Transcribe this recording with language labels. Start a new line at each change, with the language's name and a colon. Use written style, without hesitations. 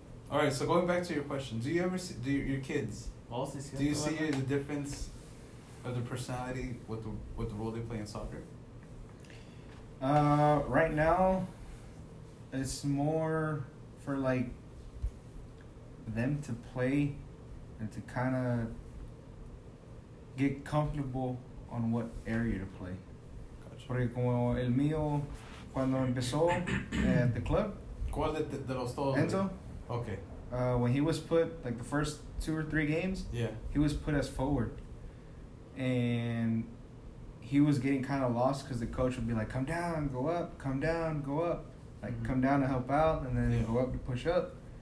English: All right, so going back to your question, do you ever see your kids? Do you see the difference of their personality with the role they play in soccer? Right now, it's more for like them to play and to kind of get comfortable on what area to play. Gotcha.
Spanish: Porque como el mío cuando empezó
English: at the club.
Spanish: ¿Cuál de los todos?
English: Enzo. Okay. When he was put like the first two or three games. Yeah. He was put as forward, and he was getting kind of lost because the coach would be like, come down, go up, come down, go up. Like, mm-hmm. come down to help out and then yeah. go up to push up.